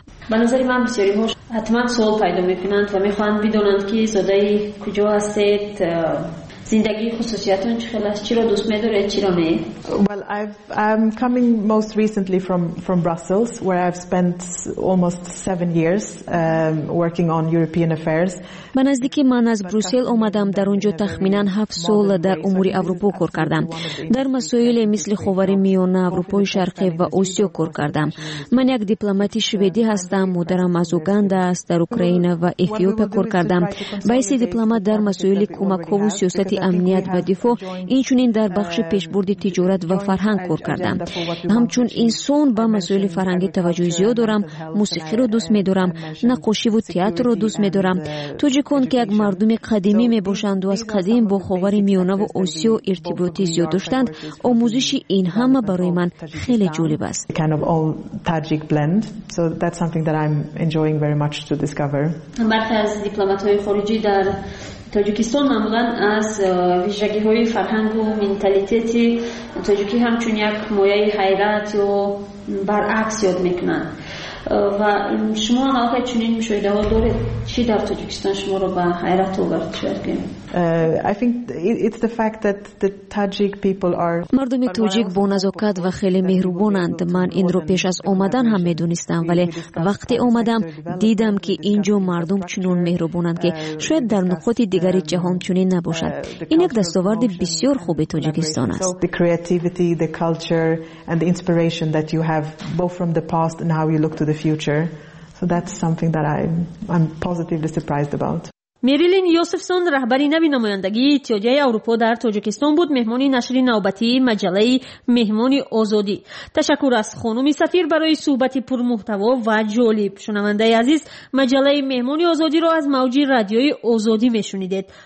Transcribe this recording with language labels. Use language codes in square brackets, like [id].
[fa] به نظر من بسیاری هاش حتما سوال پیدا میکنند و میخواهند بدانند که زاده کجا هستید، زندگی خصوصیتون چی خیلی هست، چی را دوست میدارید، چی را می؟ [en] Well, I'm coming most recently from Brussels, where I've spent almost 7 years working on European affairs. [fa] من از دیکی من از بروسل آمدم. در اونجا تخمیناً 7 سال در امور اروپا کار کردم. در مسائل مثل خاورمیانه، اروپای شرقی و آسیا کار کردم. من یک دیپلماتی شویدی هستم. مادرم از اوگاندا است، در اوکراین و اتیوپیا کار کردم. بایسی دیپلمات در مسائل کمک و سیاست امنیت و دفاع، اینچنین در بخش پیشبرد تجارت و فرهنگ کار کردم. همچون انسان با مسائل فرهنگی توجه زیاد دارم. موسیقی رو دوست می‌دارم، نقاشی و تئاتر رو دوست می‌دارم. توجیکون که یک مردم قدیمی می باشند و از قدیم با خاور میانه و آسیو ارتباطی زیاد داشتند، آموزش این همه برای من خیلی جالب است. [en] Kind of all Tajik blend, so that's something that I'm enjoying very much to discover. [fa] برخی از دیپلمات‌های خارجی در تاجیکستان معمولاً از ویژگی‌های فرهنگ و منتالیتت تاجیکی همچون یک مایه حیرت و برعکس یاد می‌کنند. و شما هم آقای چنین مشاهده ها دارید؟ چی در تاجیکستان شما رو به حیرت آورد؟ [en] I think it's the fact that the Tajik people are [fa] مردم توجیک با نزاکت و خیلی مهربانند. من این رو پیش از آمدن هم میدونستم، ولی وقتی آمدم دیدم که اینجا مردم چنون مهربانند که شاید در نقاط دیگری جهان چنین نباشد. این یک دستاورد بسیار خوب تاجیکستان است. [en] The creativity, the culture and the inspiration that you have both from the past and how you look to the future. So that's something that I'm positively surprised about. [fa] میریلین یوسفسون رهبری نوی نمایندگی اتحادیه اروپا در تاجیکستان بود، مهمانی نشری نوبتی مجله مهمانی آزادی. تشکر از خانم سفیر برای صحبت پرمحتوا و جالب. شنونده عزیز، مجله مهمانی آزادی را از موج رادیوی آزادی میشنیدید.